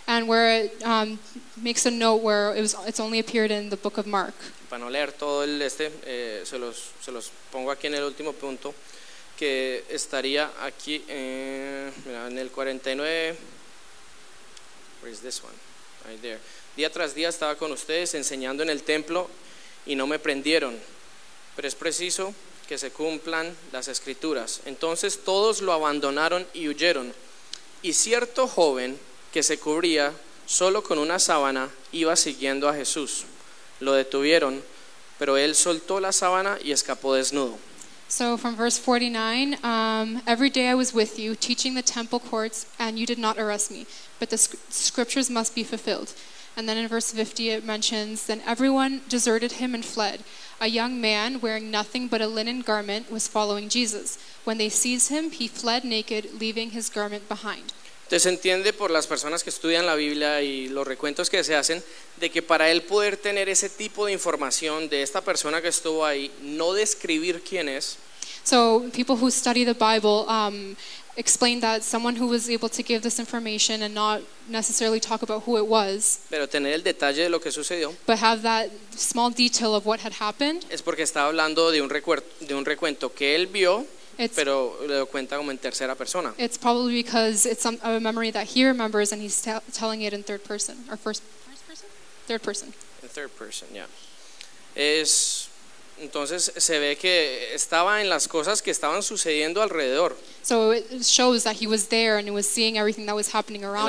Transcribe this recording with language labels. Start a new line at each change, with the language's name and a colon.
English: And where it makes a note where it's only appeared in the book of Mark.
Spanish: Para no leer todo el este, se los pongo aquí en el último punto, que estaría aquí en el 49.
English: Where is this one? Right there.
Spanish: Día tras día estaba con ustedes enseñando en el templo y no me prendieron, pero es preciso que se cumplan las escrituras. Entonces todos lo abandonaron y huyeron. Y cierto joven que se cubría solo con una sábana iba siguiendo a Jesús. Lo detuvieron, pero él soltó la sábana y escapó desnudo.
English: So from verse 49, every day I was with you, teaching the temple courts, and you did not arrest me. But the scriptures must be fulfilled. And then in verse 50 it mentions, then everyone deserted him and fled. A young man wearing nothing but a linen garment was following Jesus. When they seized him, he fled naked, leaving his garment behind.
Spanish: Entonces entiende por las personas que estudian la Biblia y los recuentos que se hacen, de que para él poder tener ese tipo de información de esta persona que estuvo ahí, no describir quién es.
English: So people who study the Bible explain that someone who was able to give this information and not necessarily talk about who it was,
Spanish: pero tener el detalle de lo que sucedió,
English: but have that small detail of what had happened,
Spanish: es porque estaba hablando de un recuento que él vio, pero lo cuenta como en tercera persona.
English: It's probably because it's a memory that he remembers and he's telling it in third person or first person? Third person. In third person, yeah.
Spanish: Es entonces se ve que estaba en las cosas que estaban sucediendo alrededor.
English: So it shows that he was there and he was seeing everything that was happening around